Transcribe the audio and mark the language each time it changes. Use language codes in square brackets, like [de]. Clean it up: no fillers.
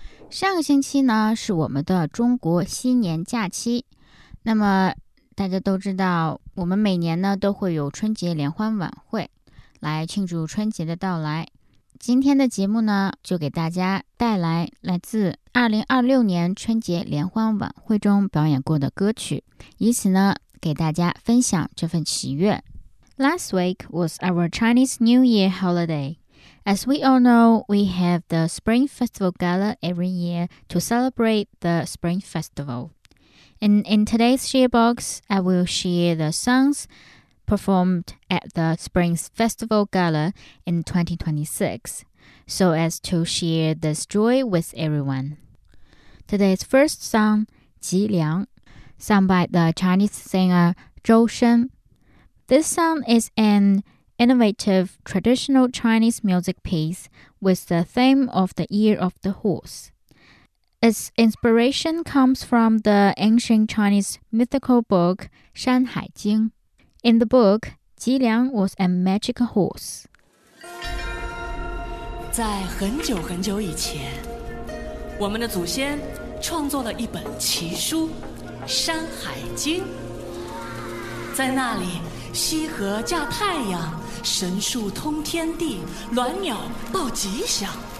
[zh] 上个星期呢，是我们的中国新年假期，那么大家都知道，我们每年呢都会有春节联欢晚会来庆祝春节的到来。今天的节目呢，就给大家带来来自2026年春节联欢晚会中表演过的歌曲，以此呢给大家分享这份喜悦。 [en] Last week was our Chinese New Year holiday. As we all know, we have the Spring Festival Gala every year to celebrate the Spring Festival. In today's sharebox, I will share the songs performed at the Spring Festival Gala in 2026, so as to share this joy with everyone. Today's first song, Ji Liang, sung by the Chinese singer Zhou Shen. This song is an innovative traditional Chinese music piece with the theme of the Year of the Horse. Its inspiration comes from the ancient Chinese mythical book Shan Hai Jing. In the book, Ji Liang was a magical horse. [zh] 在很久很久以前，我们的祖先创作了一本奇书《山海经》。在那里，西河驾太阳，神树通天地，鸾鸟报吉祥。